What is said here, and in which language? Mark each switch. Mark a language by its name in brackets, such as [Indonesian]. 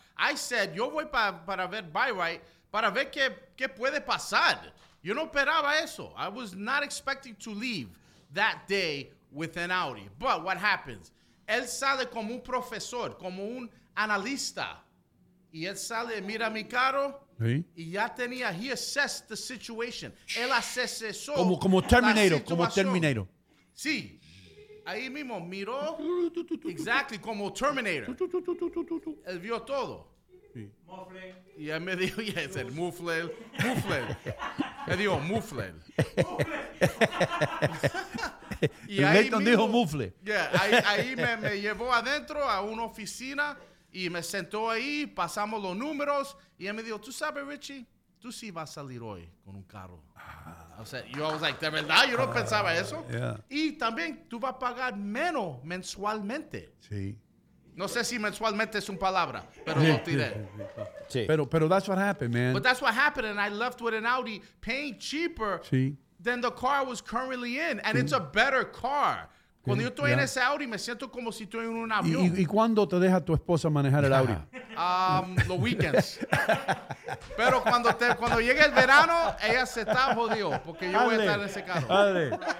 [English] I said, [Spanish] yo voy para ver Buyright para ver qué puede pasar. Yo no esperaba eso. [English] I was not expecting to leave that day with an Audi. But what happens? [Spanish] Él sale como un profesor, como un analista. Y él sale, mira mi carro. ¿Sí? Y ya tenía, [English] he assessed the situation. [Spanish] Él asesó. Como Terminator, como Terminator. Sí. Ahí mismo miró. Exactly, como Terminator. Él vio todo. Sí. Y él me dijo, yes, el mufle, mufle. Me dijo, mufle. Y el ahí mismo, dijo mufle. Yeah, ahí me llevó adentro a una oficina y me sentó ahí, pasamos los números y él me dijo, tú sabes, Richie, tú sí vas a salir hoy con un carro. O sea, yo [English] was like, [Spanish] ¿de verdad? Yo no pensaba eso. [English] Yeah. [Spanish] Y también tú vas a pagar menos mensualmente. Sí. No sé si mensualmente es una palabra, pero lo tiré. Sí. Pero [English] that's what happened, man. But that's what happened, and I left with an Audi paying cheaper [Spanish] sí. [English] than the car I was currently in. And sí. it's a better car. Sí. [Spanish] Cuando yo estoy yeah. en ese Audi, me siento como si estoy en un avión. ¿Y cuándo te deja tu esposa manejar el Audi? Los weekends. Pero cuando llegue el verano, ella se está jodido, porque yo voy a estar en ese carro. Dale.